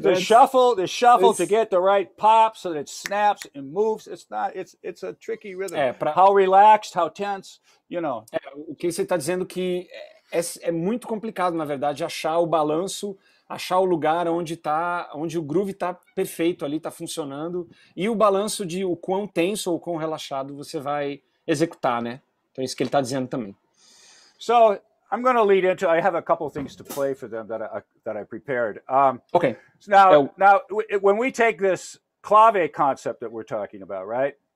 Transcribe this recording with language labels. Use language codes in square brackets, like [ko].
[en] The shuffle to get the right pop so that it snaps and moves. It's a tricky rhythm. How relaxed, how tense, you know. [pt] O que você está dizendo que é muito complicado, na verdade, achar o balanço, achar o lugar onde o groove está perfeito ali, está funcionando, e o balanço de o quão tenso ou quão relaxado você vai executar, né? Então é isso que ele está dizendo também. [en] So, I'm going to lead into, I have a couple of things to play for them that I prepared. Okay. Now, when we take this clave concept that we're talking about, right?